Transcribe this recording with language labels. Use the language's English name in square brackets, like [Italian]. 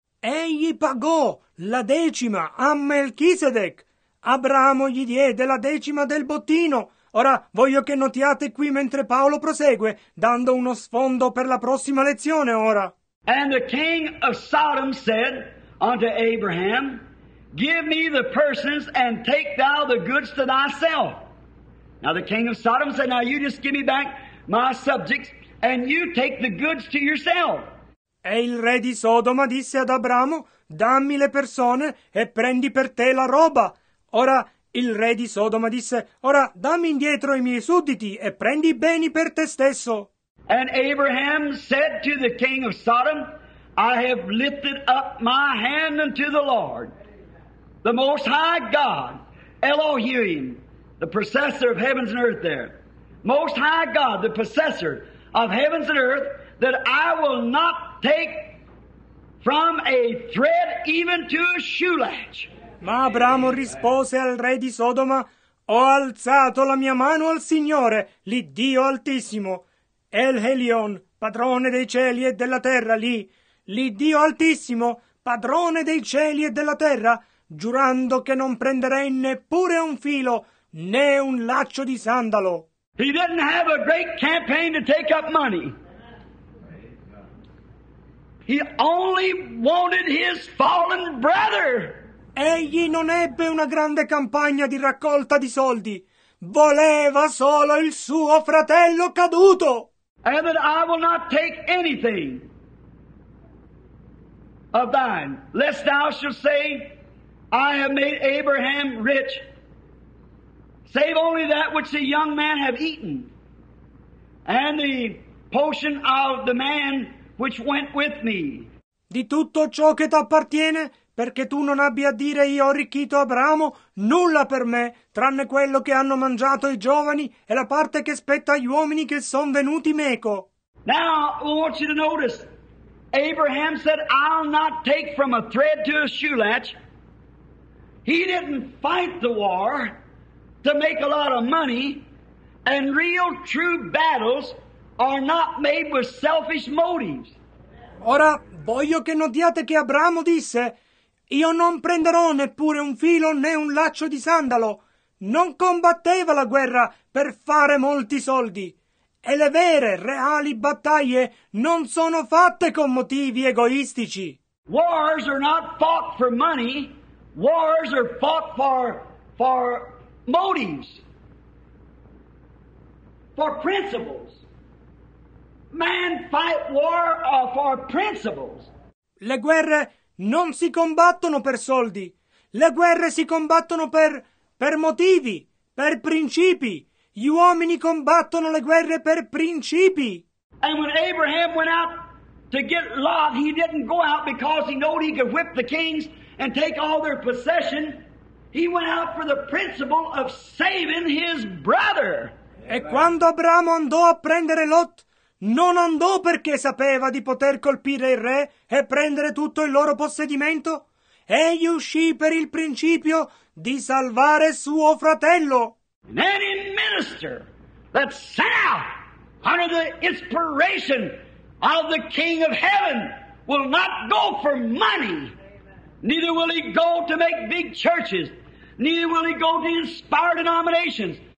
[Italian] Egli pagò la decima a Melchisedec. Abramo gli diede la decima del bottino. Ora voglio che notiate qui mentre Paolo prosegue, dando uno sfondo per la prossima lezione ora. [English] And the king of Sodom said unto Abraham, give me the persons and take thou the goods to thyself. Now the king of Sodom said, now you just give me back my subjects and you take the goods to yourself. [Italian] E il re di Sodoma disse ad Abramo, dammi le persone e prendi per te la roba. Ora il re di Sodoma disse, ora dammi indietro i miei sudditi e prendi i beni per te stesso. [English] And Abraham said to the king of Sodom, I have lifted up my hand unto the Lord, the Most High God, Elohim, the possessor of heavens and earth there. Most High God, the possessor of heavens and earth, that I will not take from a thread even to a shoe latch. [Italian] Ma Abramo rispose al re di Sodoma, ho alzato la mia mano al Signore, l'Iddio Altissimo, El Helion, padrone dei cieli e della terra, lì, l'Iddio Altissimo, padrone dei cieli e della terra, giurando che non prenderei neppure un filo né un laccio di sandalo. [English] He didn't have a great campaign to take up money. He only wanted his fallen brother. [Italian] Egli non ebbe una grande campagna di raccolta di soldi. Voleva solo il suo fratello caduto. [English] Abbot, I will not take anything of thine, lest thou shalt say, I have made Abraham rich, save only that which the young man have eaten, and the portion of the man which went with me. [Italian] Di tutto ciò che t'appartiene, perché tu non abbia a dire io ho arricchito Abramo, nulla per me, tranne quello che hanno mangiato i giovani e la parte che spetta agli uomini che son venuti meco. [English] Now, I want you to notice, Abraham said, I'll not take from a thread to a shoe latch. He didn't fight the war to make a lot of money, and real true battles are not made with selfish motives. [Italian] Ora, voglio che notiate che Abramo disse, io non prenderò neppure un filo né un laccio di sandalo. Non combatteva la guerra per fare molti soldi. E le vere, reali battaglie non sono fatte con motivi egoistici. [English] Wars are not fought for money. Wars are fought for motives. For principles. Man fight war for principles. [Italian] Le guerre non si combattono per soldi. Le guerre si combattono per motivi, per principi. Gli uomini combattono le guerre per principi. [English] And when Abraham went out to get Lot, he didn't go out because he knew he could whip the kings and take all their possession. He went out for the principle of saving his brother. [Italian] E quando Abramo andò a prendere Lot, non andò perché sapeva di poter colpire il re e prendere tutto il loro possedimento. Egli uscì per il principio di salvare suo fratello. [English] And any minister that set out under the inspiration of the King of Heaven will not go for money. Neither will he go to make big churches. Neither will he go to inspire denominations.